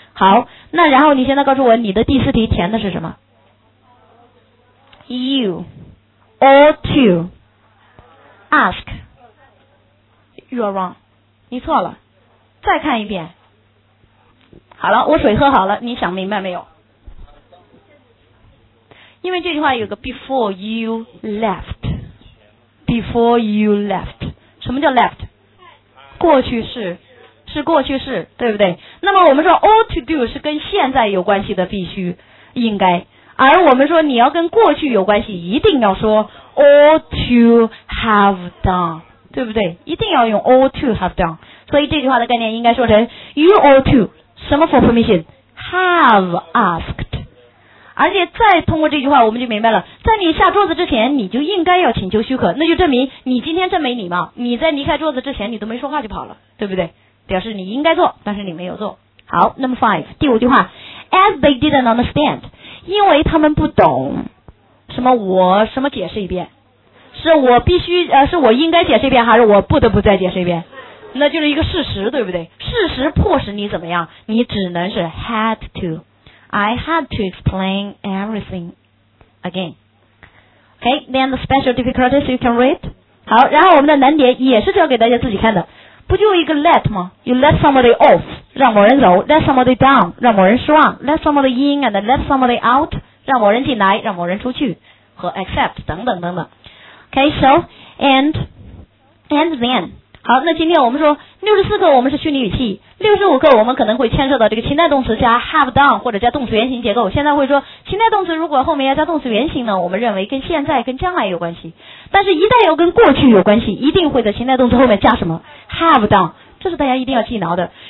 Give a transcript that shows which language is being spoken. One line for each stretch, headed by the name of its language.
Chinese: 好，那然后你现在告诉我你的第四题填的是什么？
English: You ought to ask。 You are wrong，
Chinese: 你错了，再看一遍。好了，我水喝好了，你想明白没有？因为这句话有个
English: before you left， before you left，
Chinese: 什么叫 left？过去式，是过去式，对不对？那么我们说 ought to do 是跟现在有关系的，必须应该，而我们说你要跟过去有关系，一定要说 ought to have done，对不对？一定要用 ought to have done， 所以这句话的概念应该说成
English: you ought to
Chinese: 什么
English: for permission have asked。
Chinese: 而且再通过这句话我们就明白了，在你下桌子之前你就应该要请求许可，那就证明你今天真没礼貌，你在离开桌子之前你都没说话就跑了，对不对？表示你应该做但是你没有做。好，
English: number five，
Chinese: 第五句话，
English: as they didn't understand，
Chinese: 因为他们不懂什么，我什么解释一遍，是我必须是我应该解释一遍还是我不得不再解释一遍？那就是一个事实，对不对？事实迫使你怎么样，你只能是 had to，
English: I had to explain everything again。 OK， then the special difficulties you can read。
Chinese: 好，然后我们的难点也是要给大家自己看的，不就一个 let 吗？
English: You let somebody off，
Chinese: 让某人走，
English: let somebody down，
Chinese: 让某人失望，
English: let somebody in and let somebody out，
Chinese: 让某人进来，让某人出去，和
English: accept
Chinese: 等等等等。
English: Okay, so, and then.
Chinese: 好，那今天我们说64个我们是虚拟语气，65个我们可能会牵涉到这个情态动词加 have done 或者加动词原形结构。现在会说情态动词如果后面要加动词原形呢，我们认为跟现在跟将来有关系，但是一旦要跟过去有关系，一定会在情态动词后面加什么 have done， 这是大家一定要记牢的。